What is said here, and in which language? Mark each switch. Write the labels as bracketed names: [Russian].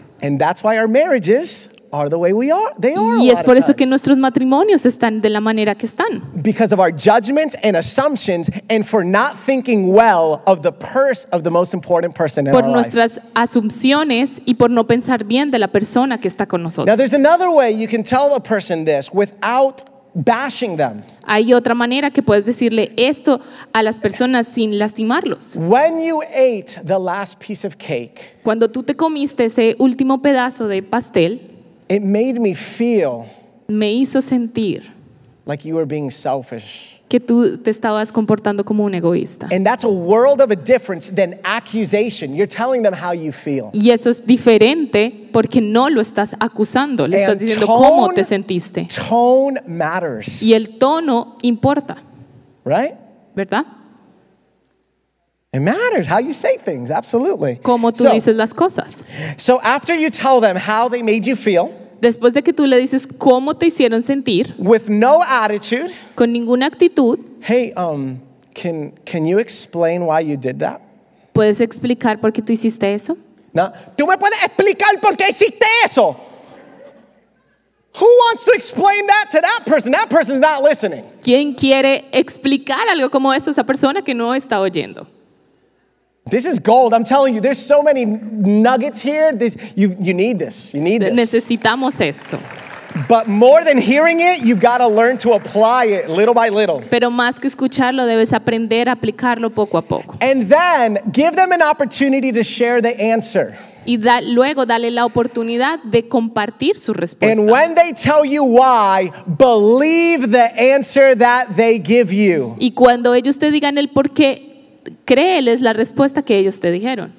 [English] And that's why our marriages are the way we are. They are. [Spanish] Y es por eso que nuestros matrimonios están de la manera que están. [English] Because of our judgments and assumptions and for not thinking well of the purse of the most important person in our life. [Spanish] Por nuestras asunciones y por no pensar bien de la persona que está con nosotros. [English] Now there's another way you can tell a person this without bashing them. [Spanish] Hay otra manera que puedes decirle esto a las personas sin lastimarlos. [English] When you ate the last piece of cake. [Spanish] Cuando tú te comiste ese último pedazo de pastel. [English] It made me feel [Spanish] me hizo sentir [English] like you were being selfish. [Spanish] Que tú te estabas comportando como un egoísta. [English] And that's a world of a difference than accusation. You're telling them how you feel. [Spanish] Y eso es diferente porque no lo estás acusando. Le estás diciendo cómo te sentiste. [English] Tone matters. [Spanish] Y el tono importa. [English] Right? [Spanish] ¿Verdad? [English] It matters how you say things, absolutely. [Spanish] Como tú dices las cosas. [English] So after you tell them how they made you feel, [Spanish] después de que tú le dices cómo te hicieron sentir, [English] with no attitude, [Spanish] con ninguna actitud, [English] hey, can you explain why you did that? [Spanish] ¿Puedes explicar por qué tú hiciste eso? No, ¿tú me puedes explicar por qué hiciste eso? [English] Who wants to explain that to that person? That person's not listening. [Spanish] ¿Quién quiere explicar algo como eso a esa persona que no está oyendo? [English] This is gold. I'm telling you, there's so many nuggets here. You need this. [Spanish] Necesitamos esto. [English] But more than hearing it, you've got to learn to apply it little by little. [Spanish] Pero más que escucharlo, debes aprender a aplicarlo poco a poco. [English] And then give them an opportunity to share the answer. [Spanish] Y luego dale la oportunidad de compartir su respuesta. [English] And when they tell you why, believe the answer that they give you. [Spanish] Y cuando ellos te digan el por qué, créeles la respuesta que ellos te dijeron.